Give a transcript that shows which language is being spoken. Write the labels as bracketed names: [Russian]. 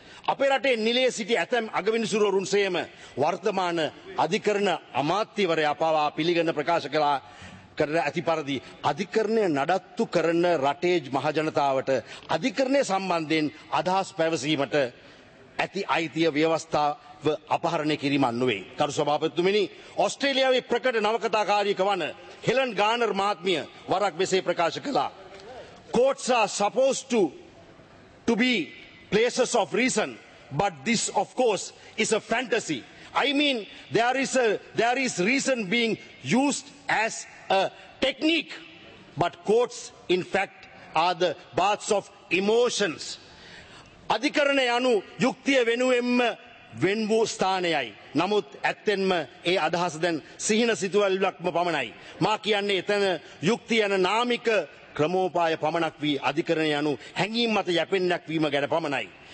[Sinhala] අපේ රටේ නිලයේ සිටි ඇතැම් අගවිනිසුරවරුන් සේම වර්තමාන අධිකරණ අමාත්‍යවරයා පවා පිළිගන්න ප්‍රකාශ කළා කරන ඇති පරිදි අධිකරණය නඩත්තු කරන රටේ මහජනතාවට අධිකරණය සම්බන්ධයෙන් අදහස් පැවසීමට ඇති අයිතිය ව්‍යවස්ථා අපහරණය කිරීම නොවේ. ගරු සභාපතිතුමනි, ඔස්ට්‍රේලියාවේ ප්‍රකට නවකතාකාරියක වන හෙලන් ගානර් මහත්මිය වරක් මෙසේ ප්‍රකාශ කළා, [English] courts are supposed to be places of reason, but this of course is a fantasy. I mean there is reason being used as a technique, but courts in fact are the baths of emotions. [Sinhala] අධිකරණ යනු යුක්තිය වෙනුවෙන්ම වෙන් වූ ස්ථානයයි. නමුත් ඇත්තෙන්ම ඒ අදහස දැන් සිහින සිතුවිල්ලක්ම පමණයි. මා කියන්නේ එතන යුක්තිය යන නාමික ක්‍රමෝපාය පමණක් වී අධිකරණ යනු හැඟීම් මත යැපෙන්නක් වීම ගැන පමණයි.